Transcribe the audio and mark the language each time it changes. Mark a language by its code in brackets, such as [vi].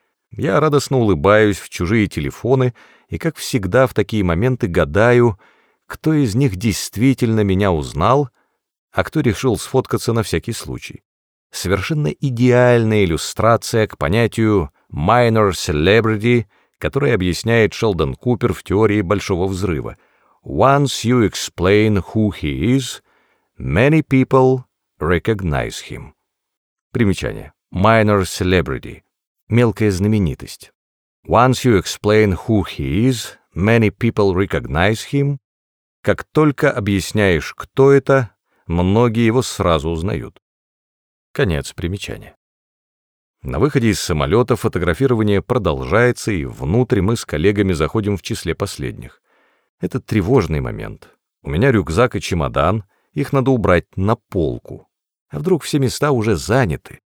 [ru] Я радостно улыбаюсь в чужие телефоны и, как всегда, в такие моменты гадаю, кто из них действительно меня узнал, а кто решил сфоткаться на всякий случай. Совершенно идеальная иллюстрация к понятию «minor celebrity», которое объясняет Шелдон Купер в «Теории большого взрыва». [en] «Once you explain who he is, many people recognize him». [ru] Примечание. «Minor celebrity» — мелкая знаменитость. [en] «Once you explain who he is, many people recognize him». [ru] Как только объясняешь, кто это, многие его сразу узнают. Конец примечания. На выходе из самолета фотографирование продолжается, и внутрь мы с коллегами заходим в числе последних. Это тревожный момент. У меня рюкзак и чемодан, их надо убрать на полку. А вдруг все места уже заняты?